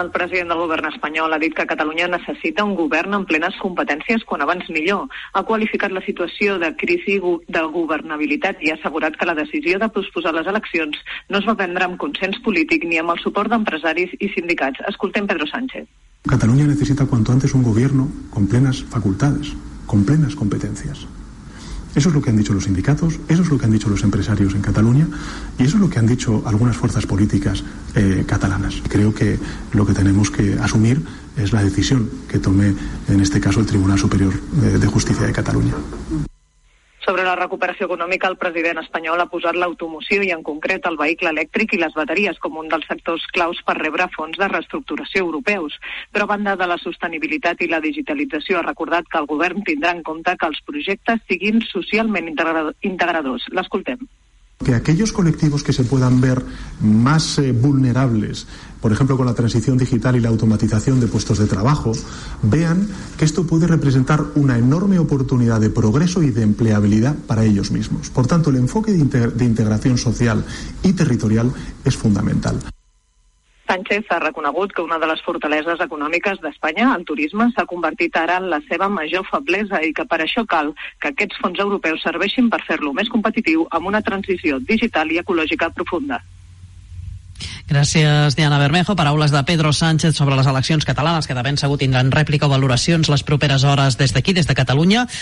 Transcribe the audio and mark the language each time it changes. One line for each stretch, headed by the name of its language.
Catalan: El president del govern espanyol ha dit que Catalunya necessita un govern amb plenes competències quan abans millor. Ha qualificat la situació de crisi de governabilitat i ha assegurat que la decisió de posposar les eleccions no es va prendre amb consens polític ni amb el suport d'empresaris i sindicats. Escoltem Pedro Sánchez.
Spanish: Catalunya necessita cuanto antes un gobierno con plenas facultades, con plenas competencias. Eso es lo que han dicho los sindicatos, eso es lo que han dicho los empresarios en Cataluña y eso es lo que han dicho algunas fuerzas políticas catalanas. Creo que lo que tenemos que asumir es la decisión que tome, en este caso, el Tribunal Superior de Justicia de Cataluña.
Catalan: Sobre la recuperació econòmica, el president espanyol ha posat l'automoció i, en concret, el vehicle elèctric i les bateries com un dels sectors claus per rebre fons de reestructuració europeus. Però, a banda de la sostenibilitat i la digitalització, ha recordat que el govern tindrà en compte que els projectes siguin socialment integradors. L'escoltem.
Spanish: Que aquellos colectivos que se puedan ver más vulnerables, por ejemplo, con la transición digital y la automatización de puestos de trabajo, vean que esto puede representar una enorme oportunidad de progreso y de empleabilidad para ellos mismos. Por tanto, el enfoque de integración social y territorial es fundamental.
Catalan: Sánchez ha reconegut que una de les fortaleses econòmiques d'Espanya, el turisme, s'ha convertit ara en la seva major feblesa i que per això cal que aquests fons europeus serveixin per fer-lo més competitiu amb una transició digital i ecològica profunda. Gràcies, Diana Bermejo. Paraules de Pedro Sánchez sobre les eleccions catalanes, que de ben segur tindran rèplica o valoracions les properes hores des d'aquí, des de Catalunya.